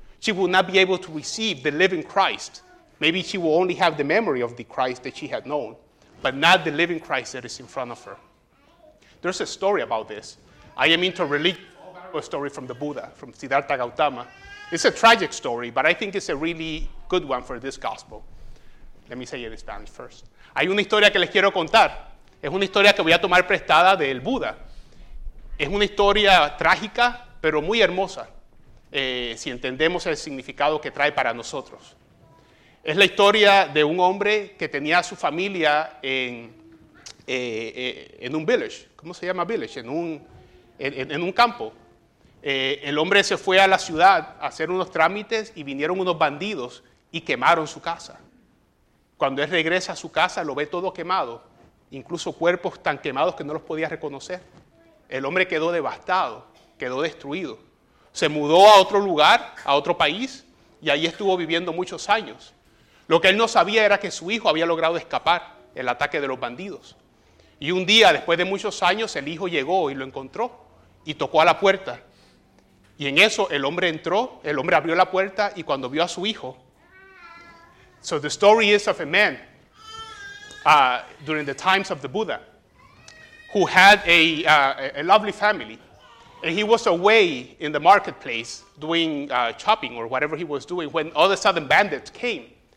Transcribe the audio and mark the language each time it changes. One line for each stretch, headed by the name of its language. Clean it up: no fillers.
English: She will not be able to receive the living Christ. Maybe she will only have the memory of the Christ that she had known, but not the living Christ that is in front of her. There's a story about this. I am into a story from the Buddha, from Siddhartha Gautama. It's a tragic story, but I think it's a really good one for this gospel. Let me say it in Spanish first.
Spanish: Hay una historia que les quiero contar. Es una historia que voy a tomar prestada del Buda. Es una historia trágica, pero muy hermosa, si entendemos el significado que trae para nosotros. Es la historia de un hombre que tenía a su familia en un village. ¿Cómo se llama village? En un campo. El hombre se fue a la ciudad a hacer unos trámites y vinieron unos bandidos y quemaron su casa. Cuando él regresa a su casa, lo ve todo quemado, incluso cuerpos tan quemados que no los podía reconocer. El hombre quedó devastado, quedó destruido. Se mudó a otro lugar, a otro país, y ahí estuvo viviendo muchos años. Lo que él no sabía era que su hijo había logrado escapar del ataque de los bandidos. Y un día, después de muchos años, el hijo llegó y lo encontró y tocó a la puerta. Y en eso el hombre entró, el hombre abrió la puerta y cuando vio a su hijo.
English: So the story is of a man during the times of the Buddha who had a lovely family. And he was away in the marketplace doing shopping or whatever he was doing when all of a sudden bandits came.